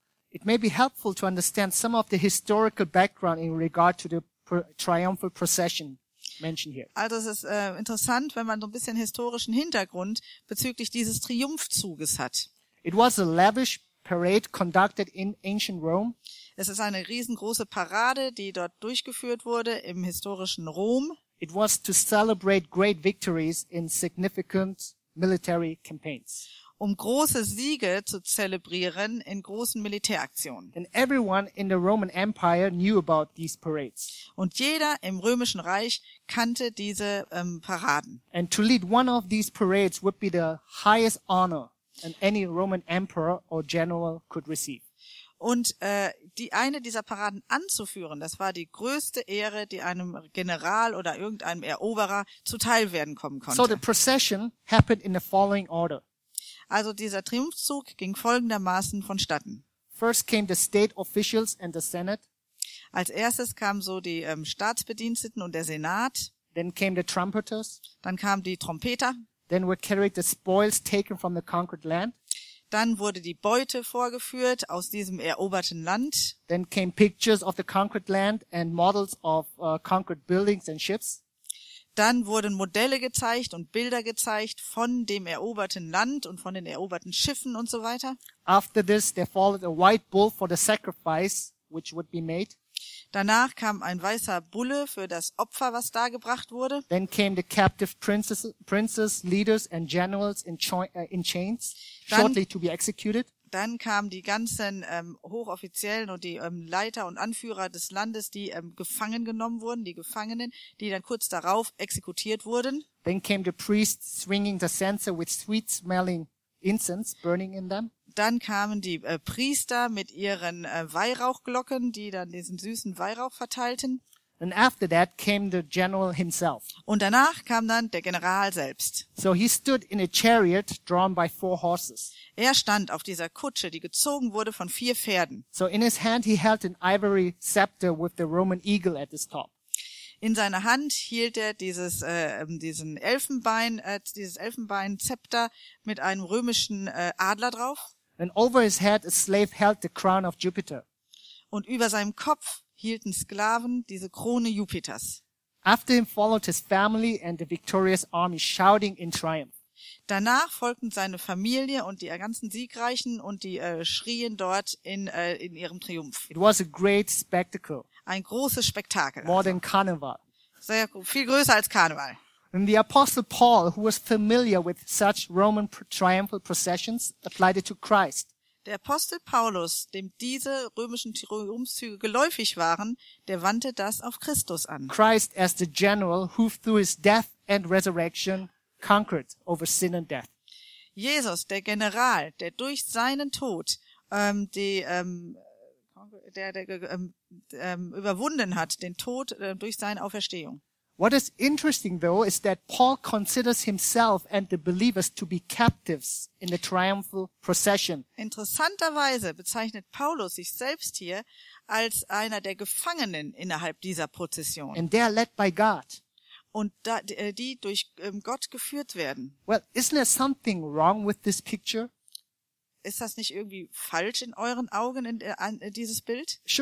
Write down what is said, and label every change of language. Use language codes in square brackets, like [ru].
[en] It may be helpful to understand some of the historical background in regard to the triumphal procession mentioned here. [de] Also es ist interessant, wenn man so ein bisschen historischen Hintergrund bezüglich dieses Triumphzuges hat. [en] It was a lavish parade conducted in ancient Rome. [de] Es ist eine riesengroße Parade, die dort durchgeführt wurde im historischen Rom. [en] It was to celebrate great victories in significant military campaigns. [de] Um große Siege zu zelebrieren in großen Militäraktionen. [en] And everyone in the Roman Empire knew about these parades. [de] Und jeder im Römischen Reich kannte diese Paraden. [en] And to lead one of these parades would be the highest honor that any Roman emperor or general could receive. [de] Und die eine dieser Paraden anzuführen, das war die größte Ehre, die einem General oder irgendeinem Eroberer zuteil werden kommen konnte. [en] So the procession happened in the following order. [de] Also dieser Triumphzug ging folgendermaßen vonstatten. [en] First came the state officials and the Senate. [de] Als erstes kamen so die Staatsbediensteten und der Senat. [en] Then came the trumpeters. [de] Dann kamen die Trompeter. [en] Then were carried the spoils taken from the conquered land. [de] Dann wurde die Beute vorgeführt aus diesem eroberten Land. [en] Then came pictures of the conquered land and models of conquered buildings and ships. [de] Dann wurden Modelle gezeigt und Bilder gezeigt von dem eroberten Land und von den eroberten Schiffen und so weiter. [en] After this, there followed a white bull for the sacrifice, which would be made. [de] Danach kam ein weißer Bulle für das Opfer, was dargebracht wurde. [en] Then came the captive princes, leaders and generals in chains, shortly to be executed. [de] Dann kamen die ganzen Hochoffiziellen und die Leiter und Anführer des Landes, die gefangen genommen wurden, die Gefangenen, die dann kurz darauf exekutiert wurden. [en] Then came the priests swinging the censer with sweet smelling incense burning in them. [de] Dann kamen die Priester mit ihren Weihrauchglocken, die dann diesen süßen Weihrauch verteilten. [en] And after that came the general himself. [de] Und danach kam dann der General selbst. [en] So he stood in a chariot drawn by four horses. [de] Er stand auf dieser Kutsche, die gezogen wurde von vier Pferden. [en] So in his hand he held an ivory scepter with the Roman eagle at its top. [de] In seiner Hand hielt er dieses Elfenbein-Zepter mit einem römischen Adler drauf. [en] And over his head a slave held the crown of Jupiter. [de] Und über seinem Kopf hielten Sklaven diese Krone Jupiters. [en] After him followed his family and the victorious army shouting in triumph. [de] Danach folgten seine Familie und die ganzen Siegreichen und die schrien dort in ihrem Triumph. [en] It was a great spectacle. [de] Ein großes Spektakel. [en] More than Carnival. [de] Sehr viel größer als Karneval. [en] And the apostle Paul, who was familiar with such Roman triumphal processions, applied it to Christ. [de] Der Apostel Paulus, dem diese römischen Triumphzüge geläufig waren, der wandte das auf Christus an. [en] Christ as the general who through his death and resurrection conquered over sin and death. [de] Jesus, der General, der durch seinen Tod überwunden hat, den Tod durch seine Auferstehung. [en] What is interesting though is that Paul considers himself and the believers to be captives in the triumphal procession. [de] Interessanterweise bezeichnet Paulus sich selbst hier als einer der Gefangenen innerhalb dieser Prozession. [en] And they are led by God. [de] Und da, die durch Gott geführt werden. [en] Well, isn't there something wrong with this picture? [de] Ist das nicht irgendwie falsch in euren Augen in dieses Bild?